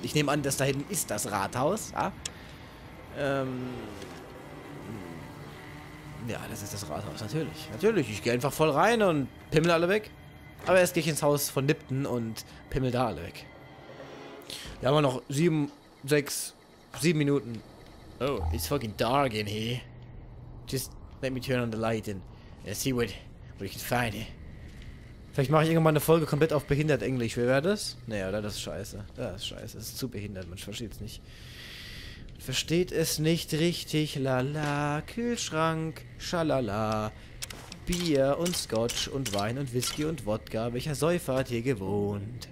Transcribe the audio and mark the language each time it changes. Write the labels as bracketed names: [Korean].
[German] Ich nehme an, dass da hinten ist das Rathaus. Ja? Ja, das ist das Rathaus, natürlich. Natürlich, ich gehe einfach voll rein und pimmel alle weg. Aber erst gehe ich ins Haus von Lipton und pimmel da alle weg. Wir haben noch 7 Minuten. [English] Oh, it's fucking dark in here. Just let me turn on the light and see what you can find here. [German] Vielleicht mache ich irgendwann eine Folge komplett auf behindert Englisch. Wer wäre das? Naja, oder? Das ist scheiße. Das ist scheiße. Das ist zu behindert. Man versteht es nicht. Versteht es nicht richtig, lala, Kühlschrank, schalala, Bier und Scotch und Wein und Whisky und Wodka, welcher Säufer hat hier gewohnt?